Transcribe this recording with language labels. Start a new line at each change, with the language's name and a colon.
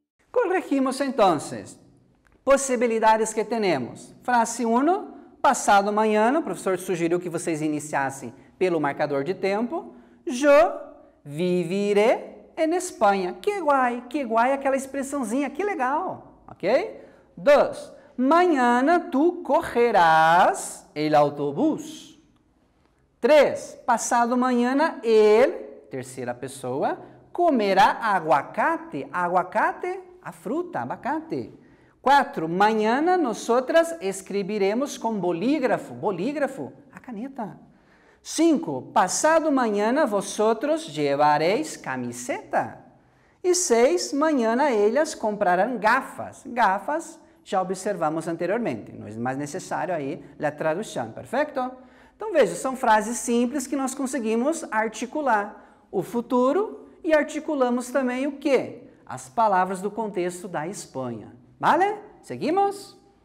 Spanish: Corregimos entonces,
Portuguese: possibilidades que temos. Frase 1, Passado manhã, o professor sugeriu que vocês iniciassem pelo marcador de tempo.
Spanish: Yo viviré en España. Que guay!
Portuguese: Que guay aquela expressãozinha. Que legal! Ok? Dois.
Spanish: Mañana tu correrás el autobús.
Portuguese: Três. Passado manhã, ele, terceira pessoa,
Spanish: comerá aguacate.
Portuguese: Aguacate, a fruta, abacate. Quatro.
Spanish: Mañana nosotras escribiremos com bolígrafo.
Portuguese: Bolígrafo, a caneta. Cinco. Passado manhã,
Spanish: vosotros llevaréis camiseta.
Portuguese: E seis.
Spanish: Mañana ellas comprarán gafas.
Portuguese: Gafas, já observamos anteriormente. Não é mais necessário aí a tradução, perfeito? Então veja, são frases simples que nós conseguimos articular o futuro e articulamos também o quê? As palavras do contexto da Espanha.
Spanish: Vale? Seguimos?